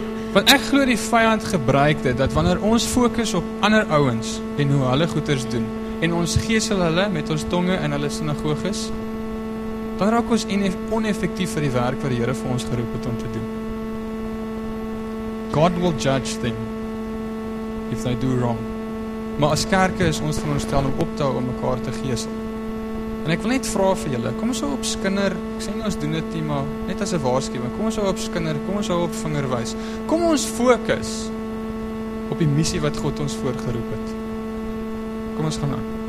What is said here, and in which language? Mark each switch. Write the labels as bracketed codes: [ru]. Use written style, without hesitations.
[af] Want ek glo die vyand gebruik dit, dat wanneer ons fokus op ander ouens en hoe hulle goeders doen, en ons geesel hulle met ons tonge in hulle sinagoges, dan raak ons oneffektief vir die werk wat die Here vir ons geroep het om te doen. [en] God will judge them if they do wrong. [af] Maar as kerke is ons veronderstel om op te hou om mekaar te geesel. En ek wil net vra vir julle, kom ons hou op skinder, ek sê nie ons doen dit nie, maar net as 'n waarskuwing, kom ons hou op skinder, kom ons hou op vingerwys. Kom ons fokus op die missie wat God ons voorgeroep het. Kom ons gaan aan.